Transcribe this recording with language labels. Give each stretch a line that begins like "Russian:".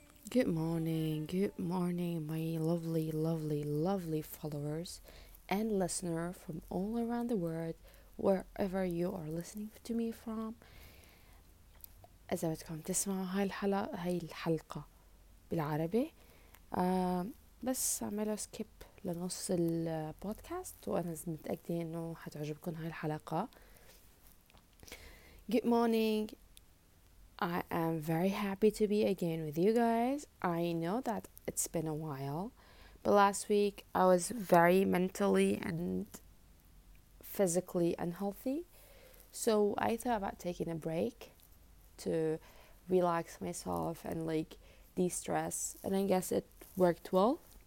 English: Good morning, good morning, my lovely, lovely, lovely followers and listener from all around the world, wherever you are listening to me from.
Arabic: إذا بدكم تسمعوا هاي الحلقة, هاي الحلقة بالعربي, بس عملوا سكيب لنص البودكاست, وأنا متأكدة إنه حتعجبكم هاي الحلقة.
English: Good morning. I am very happy to be again with you guys. I know that it's been a while, but last week I was very mentally and physically unhealthy, so I thought about taking a break to relax myself and like de-stress, and I guess it worked well.